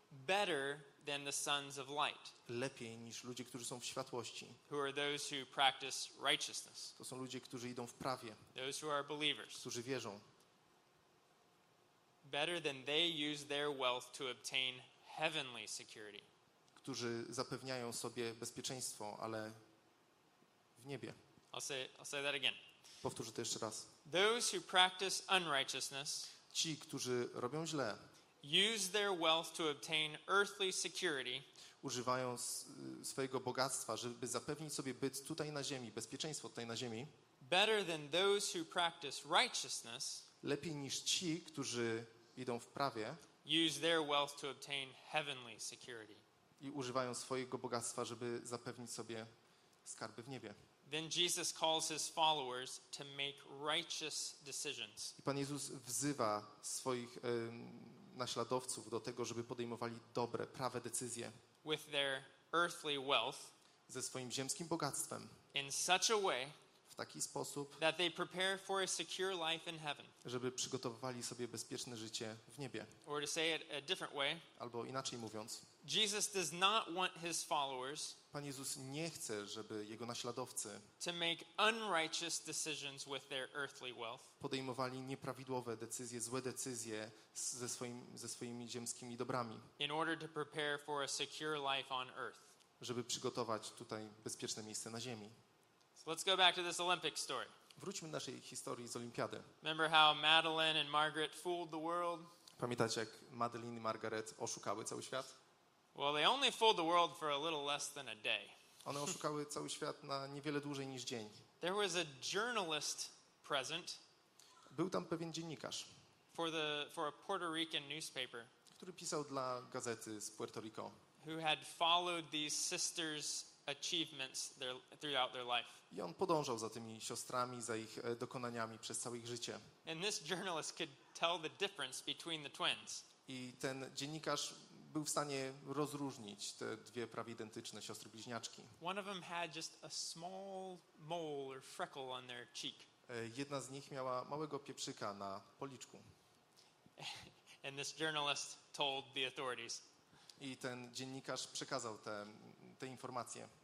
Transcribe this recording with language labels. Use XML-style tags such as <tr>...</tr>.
<en>Better than the sons of light.</en> <pl>Lepiej niż ludzie, którzy są w światłości.</pl> <en>Who are those who practice righteousness.</en> <pl>To są ludzie, którzy idą w prawie.</pl> <en>Those who are believers.</en> <pl>Którzy wierzą.</pl> <en>Better than they use their wealth to obtain heavenly security.</en> <pl>Którzy zapewniają sobie bezpieczeństwo, ale w niebie.</pl> <en>I'll say that again.</en> <pl>Powtórzę to jeszcze raz.</pl> <en>Those who practice unrighteousness,</en> <pl>ci, którzy robią źle,</pl> <en>use their wealth to obtain earthly security,</en> <pl>używają swojego bogactwa, żeby zapewnić sobie byt tutaj na ziemi, bezpieczeństwo tutaj na ziemi,</pl> <en>better than those who practice righteousness,</en> <pl>lepiej niż ci, którzy idą w prawie,</pl> <en>use their wealth to obtain heavenly security,</en> <pl>i używają swojego bogactwa, żeby zapewnić sobie skarby w niebie.</pl> <en>Then Jesus calls his followers to make righteous decisions.</en> <pl>I Pan Jezus wzywa swoich naśladowców do tego, żeby podejmowali dobre, prawe decyzje.</pl> <en>With their earthly wealth,</en> <pl>ze swoim ziemskim bogactwem.</pl> <en>In such a way,</en> <pl>w taki sposób,</pl> <en>that they prepare for a secure life in heaven.</en> <pl>Żeby przygotowywali sobie bezpieczne życie w niebie.</pl> <en>Or to say it a different way,</en> <pl>albo inaczej mówiąc,</pl> <en>Jesus does not want his followers,</en> <pl>Pan Jezus nie chce, żeby jego naśladowcy,</pl> <en>to make unrighteous decisions with their earthly wealth,</en> <pl>podejmowali nieprawidłowe decyzje, złe decyzje ze swoimi ziemskimi dobrami,</pl> <en>in order to prepare for a secure life on earth,</en> <pl>żeby przygotować tutaj bezpieczne miejsce na ziemi.</pl> <en>So let's go back to this Olympic story.</en> <pl>Wróćmy do naszej historii z olimpiady.</pl> <en>Remember how Madeleine and Margaret fooled the world?</en> <pl>Pamiętacie, jak Madeleine i Margaret oszukały cały świat?</pl> <en>Well, they only fooled the world for a little less than a day.</en> <pl>One oszukały cały świat na niewiele dłużej niż dzień.</pl> <en>There was a journalist present.</en> <pl>Był tam pewien dziennikarz.</pl> <en>For a Puerto Rican newspaper.</en> <pl>Który pisał dla gazety z Puerto Rico.</pl> <en>Who had followed these sisters' achievements throughout their life.</en> <pl>I on podążał za tymi siostrami, za ich dokonaniami przez całe ich życie.</pl> <en>And this journalist could tell the difference between the twins.</en> <pl>I ten dziennikarz był w stanie rozróżnić te dwie prawie identyczne siostry bliźniaczki.</pl> <en>One of them had just a small mole or freckle on their cheek.</en> <pl>Jedna z nich miała małego pieprzyka na policzku.</pl> <en>And this journalist told the authorities.</en> <pl>I ten dziennikarz przekazał te informacje.</pl>